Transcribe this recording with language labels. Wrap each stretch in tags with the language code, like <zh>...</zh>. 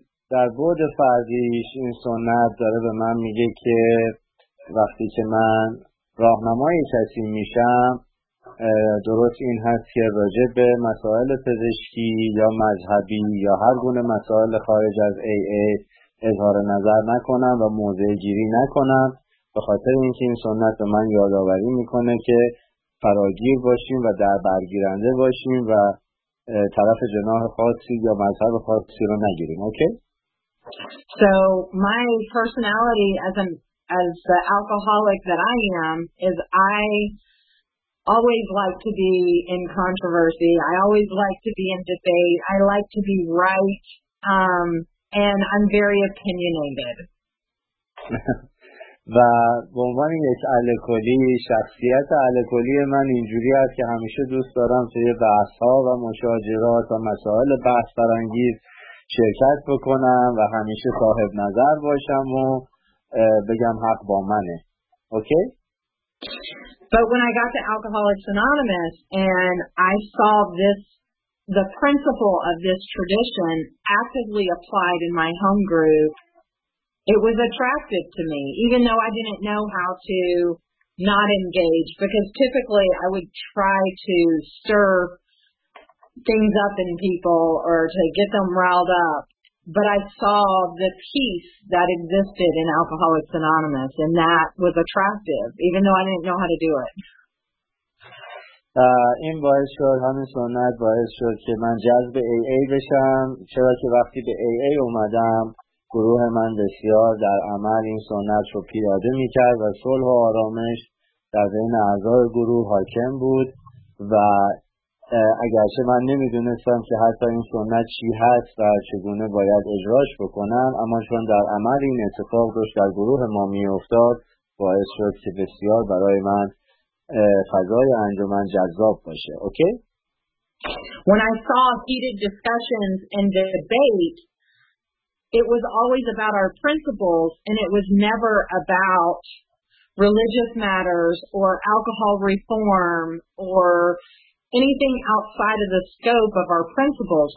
<fa>در بود فردیش این سنت داره به من میگه که وقتی که من راهنمای کسی میشم، درست این هست که راجع به مسائل پزشکی یا مذهبی یا هر گونه مسائل خارج از AA اظهار نظر نکنم و موضع گیری نکنم، به خاطر اینکه این سنت به من یادآوری میکنه که فراگیر باشیم و در برگیرنده باشیم و طرف جناح خاصی یا مذهب خاصی رو نگیریم.</fa> <en>Okay? So my personality as the alcoholic that I am is I always like to be in controversy. I always like to be in debate. I like to be right. And I'm very opinionated.</en> <fa>و به عنوان یک الکلی، شخصیت الکلی من اینجوری است که همیشه دوست دارم توی بحث‌ها و مشاجرات و مسائل بحث برانگیز شرکت بکنم و همیشه صاحب نظر باشم و بگم حق با منه.</fa> <en>Okay? But when I got to Alcoholics Anonymous and I saw this, the principle of this tradition actively applied in my home group, it was attractive to me, even though I didn't know how to not engage, because typically I would try to stir things up in people or to get them riled up. But I saw the peace that existed in Alcoholics Anonymous, and that was attractive, even though I didn't know how to do it.</en> <fa>این باعث شد، همین سنت باعث شد که من جذب AA بشم، چرا که وقتی به AA اومدم، گروه من بسیار در عمل این سنت رو پیاده می‌کرد و صلح و آرامش در بین اعضای گروه حاکم بود و اگرچه من نمیدونستم که حتی این سنت چی هست و چگونه باید اجراش بکنم، اما چون در عمل این اتفاق داشت در گروه ما میافتاد، باعث شد که بسیار برای من فضای انجمن جذاب باشه.</fa> <en>Okay? When I saw heated discussions and debate, it was always about our principles and it was never about religious matters or alcohol reform or anything outside of the scope of our principles.</en>